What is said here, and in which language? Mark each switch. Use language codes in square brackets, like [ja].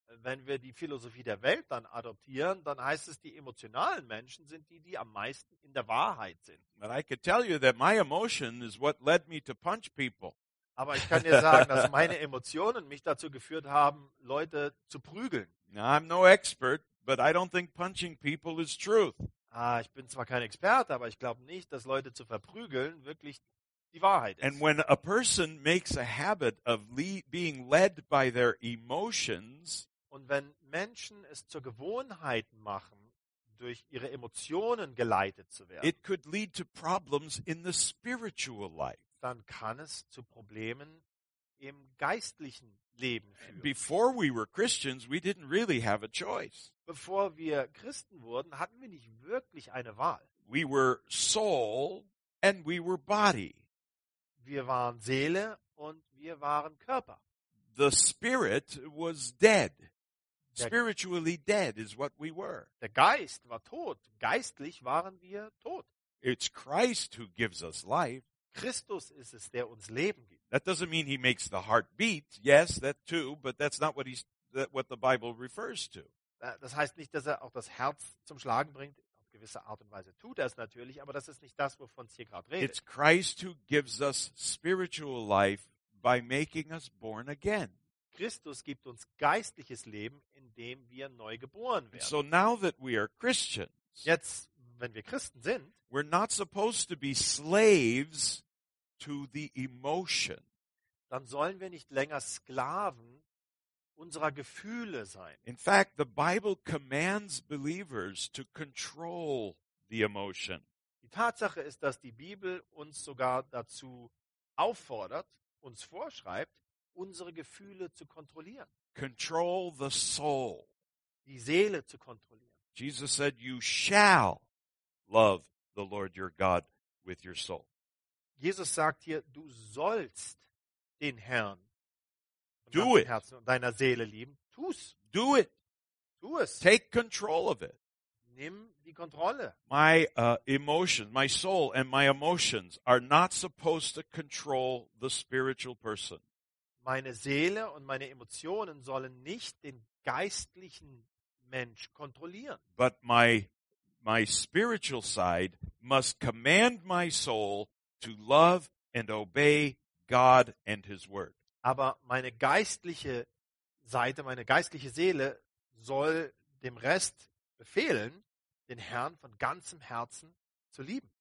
[de] Wenn wir die Philosophie der Welt dann adoptieren, dann heißt es, die emotionalen Menschen sind die, die am meisten in der Wahrheit sind. [en] But I can tell you that my emotion is what led me to punch people. [de] Aber ich kann dir sagen, dass meine Emotionen mich dazu geführt haben, Leute zu prügeln. [en] Now, I'm no expert, but I don't think punching people is truth. [de] Ah, ich bin zwar kein Experte, aber ich glaube nicht, dass Leute zu verprügeln wirklich die Wahrheit ist. [en] And when a person makes a habit of being led by their emotions, [de] und wenn Menschen es zur Gewohnheit machen, durch ihre Emotionen geleitet zu werden, [en] it could lead to problems in the spiritual life. [de] Dann kann es zu Problemen im geistlichen Leben führen. [en] Before we were Christians, we didn't really have a choice. [de] Bevor wir Christen wurden, hatten wir nicht wirklich eine Wahl. [en] We were soul and we were body. [de] Wir waren Seele und wir waren Körper. [en] The spirit was dead. Spiritually dead is what we were. [de] Der Geist war tot. Geistlich waren wir tot. [en] It's Christ who gives us life. [de] Christus ist es, der uns Leben gibt. [en] That doesn't mean he makes the heart beat. Yes, that too, but that's not what what the Bible refers to. [de] Das heißt nicht, dass er auch das Herz zum Schlagen bringt. Auf gewisse Art und Weise tut er es natürlich, aber das ist nicht das, wovon es hier gerade redet. [en] It's Christ who gives us spiritual life by making us born again. [de] Christus gibt uns geistliches Leben, indem wir neu geboren werden. [en] So now that we are Christians, [de] jetzt, wenn wir Christen sind, [en] we're not supposed to be slaves to the emotion. [de] Dann sollen wir nicht länger Sklaven unserer Gefühle sein. [en] In fact, the Bible commands believers to control the emotion. [de] Die Tatsache ist, dass die Bibel uns sogar dazu auffordert, uns vorschreibt, unsere Gefühle zu kontrollieren. [en] Control the soul. [de] Die Seele zu kontrollieren. [en] Jesus said, you shall love the Lord your God with your soul. [de] Jesus sagt hier, du sollst den Herrn [en] do it. [de] Herzen und deiner Seele lieben. Tu's. [en] Do it. [de] Tu es. [en] Take control of it. [de] Nimm die Kontrolle. [en] My emotions, my soul and my emotions are not supposed to control the spiritual person. [de] Meine Seele und meine Emotionen sollen nicht den geistlichen Mensch kontrollieren. [en] But my spiritual side must command my soul to love and obey God and his word. [de] Aber meine geistliche Seite, meine geistliche Seele soll dem Rest befehlen, den Herrn von ganzem Herzen zu lieben.